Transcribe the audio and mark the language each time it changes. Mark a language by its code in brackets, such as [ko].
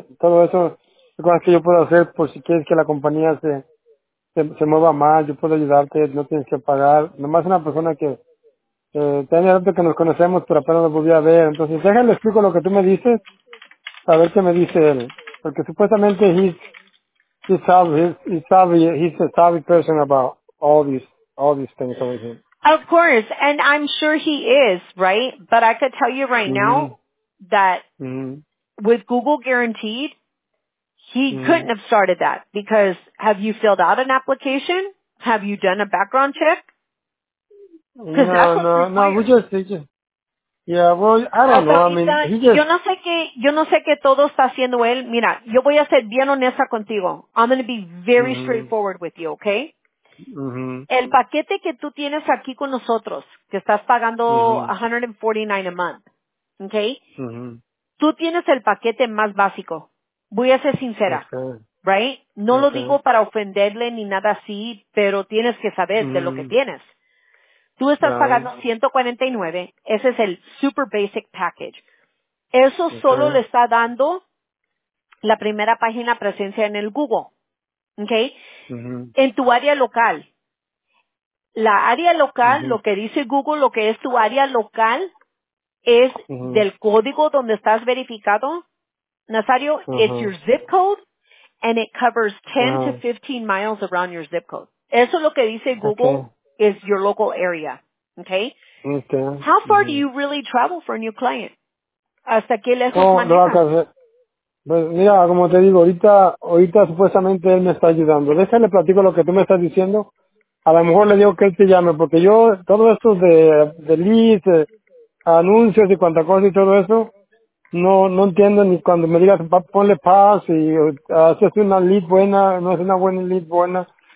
[es] Todo eso, cosas que yo puedo hacer por si quieres que la compañía se mueva más, yo puedo ayudarte, no tienes que pagar. Nomás una persona que tenía rato que nos conocemos, pero apenas lo volví a ver. Entonces, déjale, explico lo que tú me dices, a ver qué me dice él. Porque supuestamente [en] he's a savvy person about all these things over here. Of course, and I'm sure he is, right? But I could tell you right now that with Google Guaranteed, he couldn't have started that because have you filled out an application? Have you done a background check? No, we just [es] yo no sé qué todo está haciendo él. Mira, yo voy a ser bien honesta contigo. [en] I'm going to be very straightforward with you, okay? [es] El paquete que tú tienes aquí con nosotros, que estás pagando $149 [en] a month, [es] okay? Tú tienes el paquete más básico. Voy a ser sincera, right? No lo digo para ofenderle ni nada así, pero tienes que saber de lo que tienes. Tú estás pagando $149. Ese es el [en] super basic package. [es] Eso solo le está dando la primera página presencia en el Google. ¿Ok? En tu área local. La área local, lo que dice Google, lo que es tu área local, es del código donde estás verificado, Nazario, [en] it's your zip code, [es] and it covers 10 to 15 miles around your zip code. Eso es lo que dice Google, [en] is your local area. [es] ¿Ok? [en] How far do you really travel from your client? [es] ¿Hasta qué lejos manejas? Pues mira, como te digo, ahorita supuestamente él me está ayudando. Déjale platico lo que tú me estás diciendo. A lo mejor le digo que él te llame, porque yo, todo esto de leads, anuncios y cuanta cosa y todo eso, no entiendo ni cuando me digas, ponle paz y haces una lead buena, no es una buena lead buena.